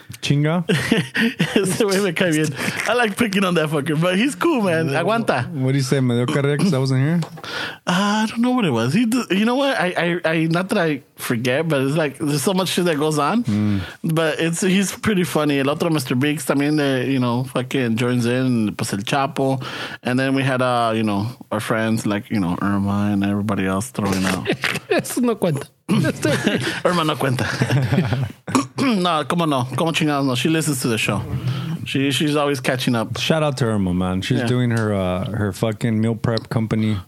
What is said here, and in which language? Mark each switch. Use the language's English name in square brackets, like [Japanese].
[Spanish] Chinga. Ese güey me cae bien. [English] I like picking on that fucker, but he's cool, man. [Spanish] Aguanta. [English] What do you say, [Spanish] medio carrera, [English] because I wasn't here? I don't know what it was. You know what? I not that I forget, but it's like there's so much shit that goes on. But he's pretty funny. [Spanish] El otro, [English] Mr. Biggs, también, fucking joins in, pues el Chapo. And then we had our friends like Irma and everybody else throwing out. [Spanish] Eso no cuenta. Irma no cuenta. No, como no, como chingados no. [English] She listens to the show. She's always catching up. Shout out to Irma, man. She's doing her fucking meal prep company.